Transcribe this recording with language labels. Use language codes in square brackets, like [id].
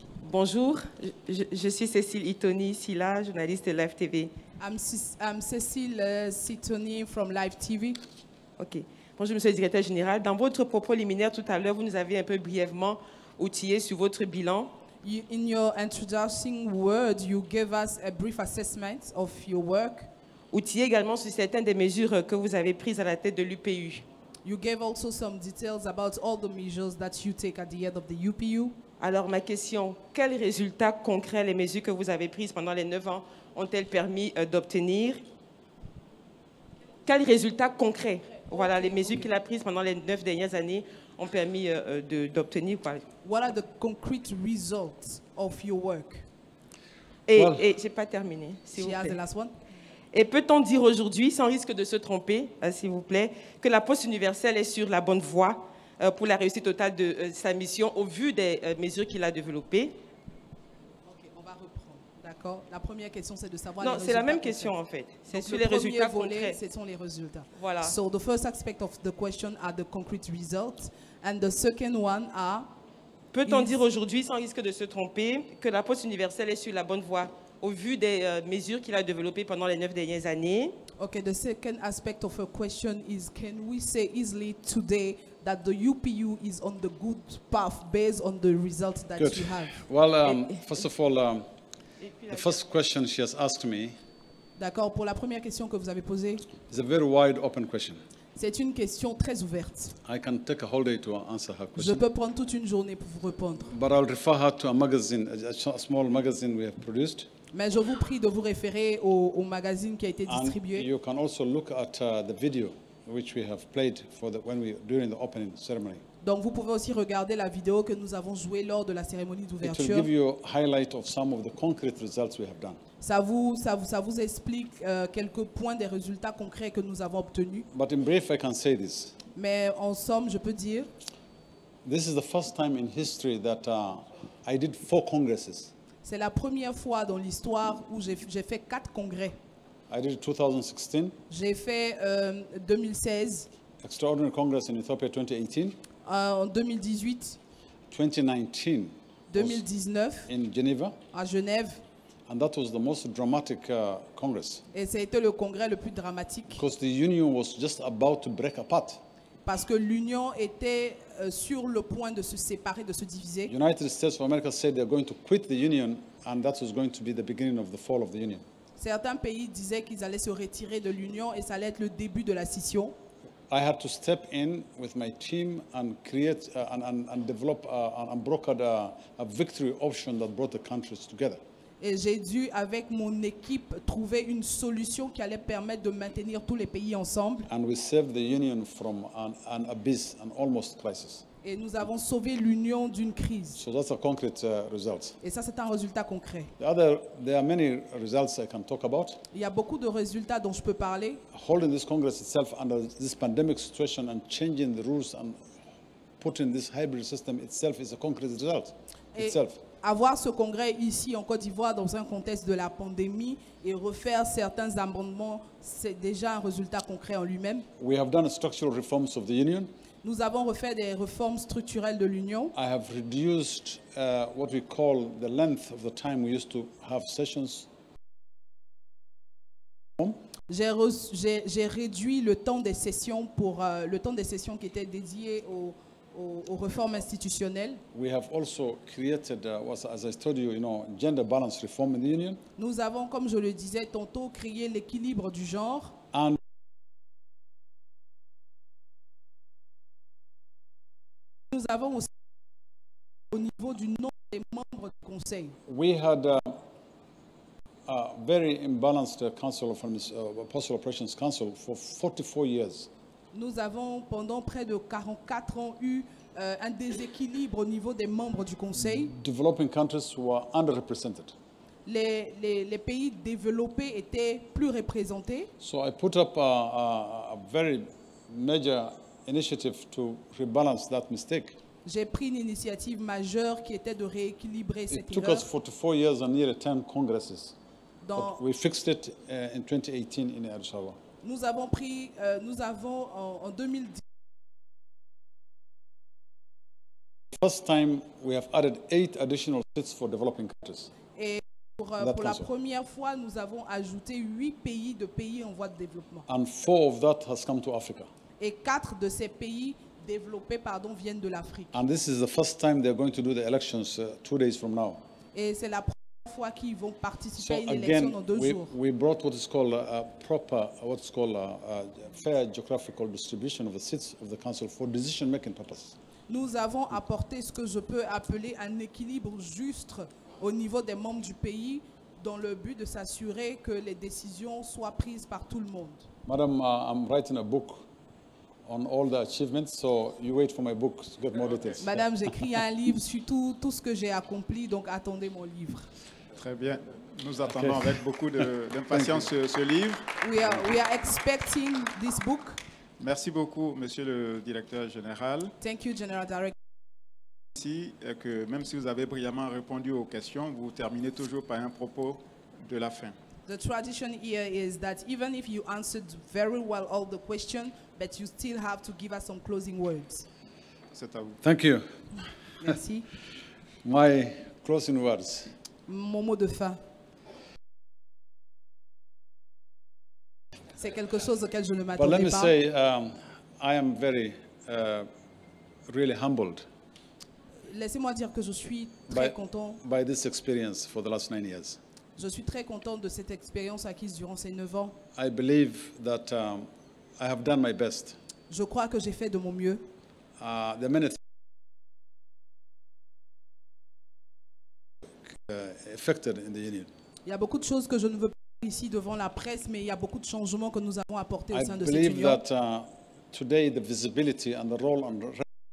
[fr] Bonjour, je suis Cécile Itoni Sila, journaliste de Live TV. [en] I'm Cécile Itoni from Live TV. [fr] Okay. Bonjour, monsieur le directeur général. Dans votre propos liminaire tout à l'heure, vous nous avez un peu brièvement outillé sur votre bilan. [en] In your introducing word, you gave us a brief assessment of your work. [fr] Outillé également sur certaines des mesures que vous avez prises à la tête de l'UPU. [en] You gave also some details about all the measures that you take at the head of the UPU. [fr] Alors ma question, quels résultats concrets les mesures que vous avez prises pendant les 9 ans ont-elles permis d'obtenir? Quels résultats concrets, voilà, les mesures qu'il a prises pendant les 9 dernières années ont permis d'obtenir? [en] What are the concrete results of your work? [fr] Et j'ai pas terminé, s'il vous plaît. [en] The last one. [fr] Et peut-on dire aujourd'hui, sans risque de se tromper, s'il vous plaît, que la Poste universelle est sur la bonne voie pour la réussite totale de sa mission au vu des mesures qu'il a développées? Ok, on va reprendre. D'accord. La première question, c'est de savoir. Non, c'est la même question en fait. C'est donc sur le les résultats concrets. Ce sont les résultats. Voilà. [en] So the first aspect of the question are the concrete results, and the second one are. [fr] Peut-on dire aujourd'hui, sans risque de se tromper, que la Poste universelle est sur la bonne voie au vu des mesures qu'il a développées pendant les 9 dernières années? [en] Okay, the second aspect of a question is, can we say easily today that the UPU is on the good path based on the results that good. You have? Well, first of all, the first question she has asked me. [fr] D'accord, pour la première question que vous avez posée. [en] It's a very wide open question. [fr] C'est une question très ouverte. [en] I can take a whole day to answer her question. [fr] Je peux prendre toute une journée pour vous répondre. [en] But I'll refer her to a magazine, a small magazine we have produced. [fr] Mais je vous prie de vous référer au magazine qui a été distribué. [en] And you can also look at the video which we have played for the when we during the opening ceremony. [fr] Donc vous pouvez aussi regarder la vidéo que nous avons jouée lors de la cérémonie d'ouverture. [en] It will give you a highlight of some of the concrete results we have done. [fr] Ça vous explique quelques points des résultats concrets que nous avons obtenus. [en] But in brief, I can say this. [fr] Mais en somme, je peux dire. [en] This is the first time in history that I did 4 congresses. [fr] C'est la première fois dans l'histoire où j'ai fait 4 congrès. [en] I did 2016. [fr] J'ai fait 2016. [en] Extraordinary Congress in Ethiopia 2018. [fr] En 2018. [en] 2019. [fr] 2019. [en] In Geneva. [fr] À Genève. [en] And that was the most dramatic congress. [fr] Et c'était le congrès le plus dramatique. [en] Because the union was just about to break apart. [fr] Parce que l'union était sur le point de se séparer, de se diviser. [en] United States of America said they're going to quit the union, and that was going to be the beginning of the fall of the union. [fr] Certains pays disaient qu'ils allaient se retirer de l'union et ça allait être le début de la scission. [en] I had to step in with my team and create and develop and brokered a victory option that brought the countries together. [fr] Et j'ai dû, avec mon équipe, trouver une solution qui allait permettre de maintenir tous les pays ensemble. [en] And we saved the union from an abyss, an almost crisis. [fr] Et nous avons sauvé l'union d'une crise. [en] So that's a concrete result. [fr] Et ça, c'est un résultat concret. [en] There are many results I can talk about. [fr] Il y a beaucoup de résultats dont je peux parler. [en] Holding this Congress itself under this pandemic situation and changing the rules and putting this hybrid system itself is a concrete result. [fr] Avoir ce congrès ici en Côte d'Ivoire dans un contexte de la pandémie et refaire certains amendements, c'est déjà un résultat concret en lui-même. [en] We have done structural reforms of the union. [fr] Nous avons refait des réformes structurelles de l'union. [en] I have reduced what we call the length of the time we used to have sessions. [fr] J'ai réduit le temps des sessions pour le temps des sessions qui était dédié aux réformes institutionnelles. [en] We have also created, as I told you, you know, gender balance reform in the union. [fr] Nous avons, comme je le disais tantôt, créé l'équilibre du genre. [en] And [fr] nous avons aussi, au niveau du nombre des membres du conseil. [en] We had a very imbalanced council of postal operations council for 44 years. [fr] Nous avons pendant près de 44 ans eu un déséquilibre au niveau des membres du Conseil. [en] Developing countries were underrepresented. [fr] Les pays développés étaient plus représentés. [en] So I put up a very major initiative to rebalance that mistake. [fr] J'ai pris une initiative majeure qui était de rééquilibrer cette erreur. [en] It took us 44 years and nearly 10 congresses. But we fixed it in 2018 in Arshawa. [fr] Nous avons pris, nous avons en 2010. [en] First time we have added 8 additional seats for developing countries. [fr] Et pour la première fois, nous avons ajouté 8 pays de pays en voie de développement. [en] And 4 of that has come to Africa. [fr] et 4 de ces pays développés viennent de l'Afrique. [en] And this is the first time they're going to do the elections 2 days from now. [fr] Et c'est la première fois qu'ils vont participer [en] so [fr] à une élection dans 2 jours. [en] We brought what is called a proper, what is called a fair geographical distribution of the seats of the council for decision making purposes. [fr] Nous avons apporté ce que je peux appeler un équilibre juste au niveau des membres du pays dans le but de s'assurer que les décisions soient prises par tout le monde. [en] Madame, I'm writing a book on all the achievements, so you wait for my book to get more details. [fr] Madame, j'écris un livre sur tout ce que j'ai accompli, donc attendez mon livre. Très bien. Nous attendons avec beaucoup d'impatience ce livre. [en] We are expecting this book. [fr] Merci beaucoup, Monsieur le Directeur Général. [en] Thank you, General Director. [fr] Merci que même si vous avez brillamment répondu aux questions, vous terminez toujours par un propos de la fin. [en] The tradition here is that even if you answered very well all the questions, but you still have to give us some closing words. [fr] C'est à vous. [en] Thank you. [fr] Merci. [en] My closing words. [fr] Mon mot de fin. C'est quelque chose auquel je ne m'attendais pas. [en] But me say, I am very, really humbled. [fr] Laissez-moi dire que je suis très content. [en] By this experience for the last 9 years. [fr] Je suis très content de cette expérience acquise durant ces 9 ans. [en] I believe that I have done my best. [fr] Je crois que j'ai fait de mon mieux. [en] There are many things affected in the union. [fr] Il y a beaucoup de choses que je ne veux pas dire ici devant la presse, mais il y a beaucoup de changements que nous avons apportés au sein de cette union. [en] That, today the visibility and the role on the...